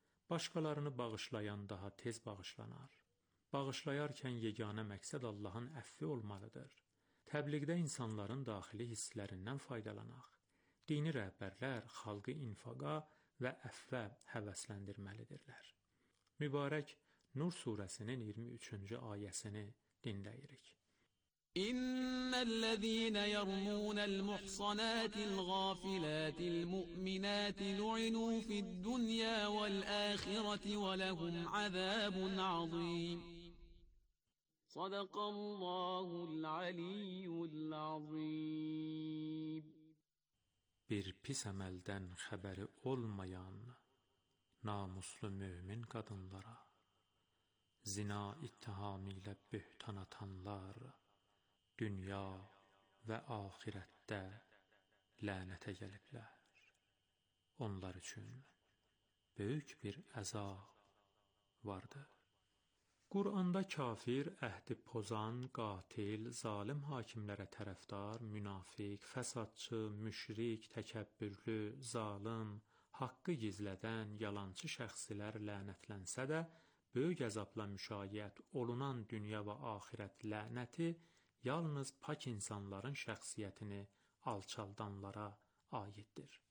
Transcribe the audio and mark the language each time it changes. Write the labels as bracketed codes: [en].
[az] Başqalarını bağışlayan daha tez bağışlanar. Bağışlayarkən yeganə məqsəd Allahın əffi olmalıdır. Təbliğdə insanların daxili hisslərindən faydalanaq. Dini rəhbərlər xalqı infaqa və əffə həvəsləndirməlidirlər. Mübarək Nur surəsinin 23-cü ayəsini dinləyirik. [ar] إن الذين يرمون المحصنات الغافلات المؤمنات لعنوا في الدنيا والآخرة ولهم عذاب عظيم. Sadakallahul aliyyul azim. [az] Bir pis əməldən xəbəri olmayan namuslu mümin qadınlara, zina ittihamı ilə böhtan atanlar dünya və ahirətdə lənətə gəliblər. Onlar üçün böyük bir əzab vardır. Quranda kafir, əhdi pozan, qatil, zalim hakimlərə tərəfdar, münafiq, fəsadçı, müşrik, təkəbbürlü, zalim, haqqı gizlədən, yalancı şəxslər lənətlənsə də, böyük əzabla müşayiət olunan dünya və ahirət lənəti yalnız pak insanların şəxsiyyətini alçaldanlara aiddir.